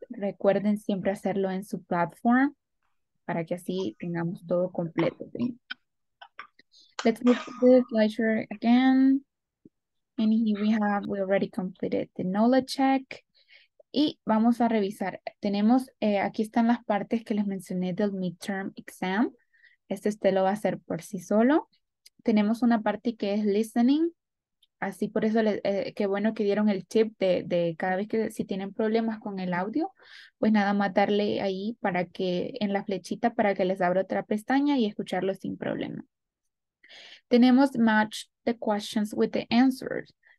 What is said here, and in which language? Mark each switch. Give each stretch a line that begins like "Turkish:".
Spanish: Recuerden siempre hacerlo en su platform para que así tengamos todo completo. ¿Sí?
English: Let's look at this slideshow again. And here we already completed the knowledge check.
Spanish: Y vamos a revisar. Tenemos, aquí están las partes que les mencioné del midterm exam. Este usted lo va a hacer por sí solo. Tenemos una parte que es listening. Así por eso, qué bueno que dieron el tip de cada vez que si tienen problemas con el audio, pues nada más darle ahí para que, en la flechita, para que les abra otra pestaña y escucharlo sin problema. Tenemos
English: match the questions with the answers.